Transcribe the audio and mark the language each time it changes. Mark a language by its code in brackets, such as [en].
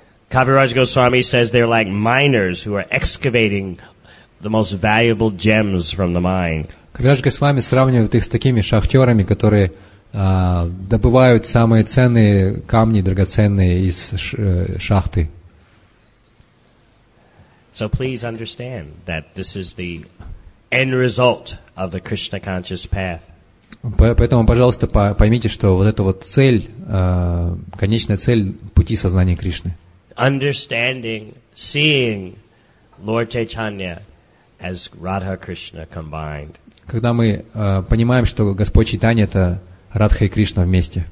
[en] Kaviraj Goswami says they're like miners who are excavating the most valuable gems from the mine. [ru] Kaviraj Goswami сравнивает их с такими шахтерами, которые добывают самые ценные камни, драгоценные из шахты. [en] So please understand that this is the end result of the Krishna conscious path. [ru] Поэтому, пожалуйста, поймите, что вот эта вот цель, конечная цель пути сознания Кришны. [en] Understanding, seeing Lord Chaitanya as Radha Krishna combined. [ru] Когда мы понимаем, что Господь Чайтанья — это Радха и Кришна вместе.